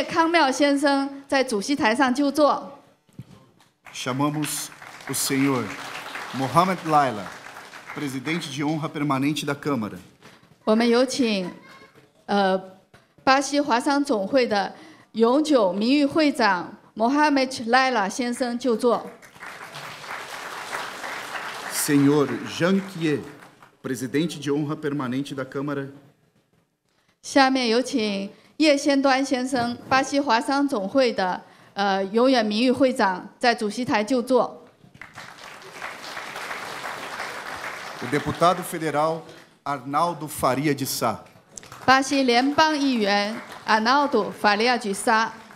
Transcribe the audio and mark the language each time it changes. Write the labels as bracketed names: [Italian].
[Chinese] 下面我们首先邀请巴西华商总会会长叶康妙先生在主席台上就座。 [Portuguese] Chamamos o senhor Mohamed Laila, presidente de honra permanente da Câmara. [Chinese] 我们有请巴西华商总会的永久名誉会长 Mohamed Laila 先生就座。 [Portuguese] Senhor Jean Kie, presidente de honra permanente da Câmara. [Chinese] 下面有请叶先端先生，巴西华商总会的永远名誉会长，在主席台就座。 [Portuguese] O deputado federal Arnaldo Faria de Sá. [Chinese] 巴西联邦议员阿瑙多·法利亚·吉萨。